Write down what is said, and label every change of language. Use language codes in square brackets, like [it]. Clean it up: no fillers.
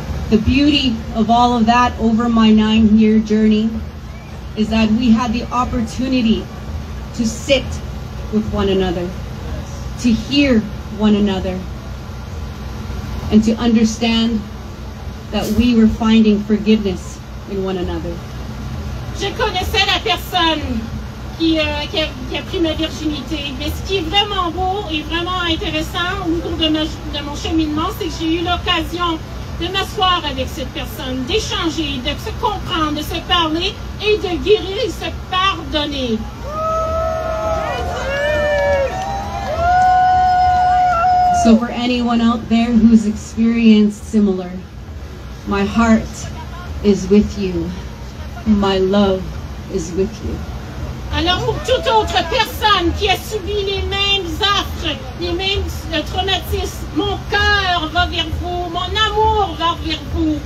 [en] The beauty of all of that over my 9-year journey is that we had the opportunity to sit with one another, to hear one another, and to understand that we were finding forgiveness in one another. [fr] Je connaissais la personne qui a pris ma virginité. Mais ce qui est vraiment beau et vraiment intéressant au cours de mon cheminement, c'est que j'ai eu l'occasion de m'asseoir avec cette personne, d'échanger, de se comprendre, de se parler et de guérir et se pardonner. [en] So for anyone out there who's experienced similar, my heart is with you. My love is with you. [fr] Alors pour toute autre personne qui a subi les mêmes affres, les mêmes traumatismes, mon cœur va vers vous, mon amour va vers vous.